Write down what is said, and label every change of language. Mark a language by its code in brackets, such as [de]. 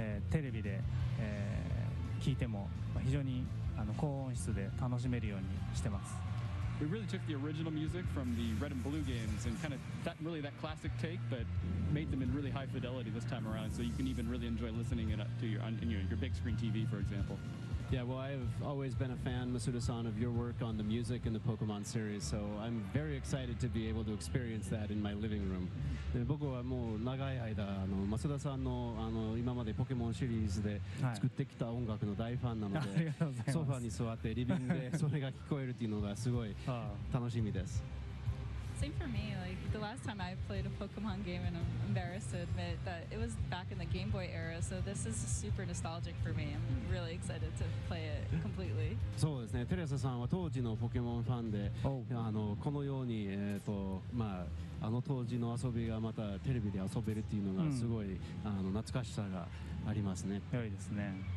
[ja] テレビで、聞いても非常に高音質で楽しめるようにしてます。 [en] We really took the original music from the Red and Blue games and kind of that really that classic take, but made them in really high fidelity this time around, so you can even really enjoy listening it to your big screen TV, for example. Yeah, well, I have always been a fan, Masuda-san, of your work on the music in the Pokemon series, so I'm very excited to be able to experience that in my living room. [ja] 僕はもう長い間、Masuda-san の、今までポケモンシリーズで作ってきた音楽の大ファンなので、はい、ソファに座ってリビングでそれが聞こえるっていうのがすごい楽しみです。 [en] Same for me. Like the last time I played a Pokemon game, and I'm embarrassed to admit that it was back in the Game Boy era. So this is super nostalgic for me. I'm really excited to play it completely. [ja] そうですね。テレサさんは当時のポケモンファンで、このようにまあ当時の遊びがまたテレビで遊べるっていうのがすごい、懐かしさがありますね。良いですね。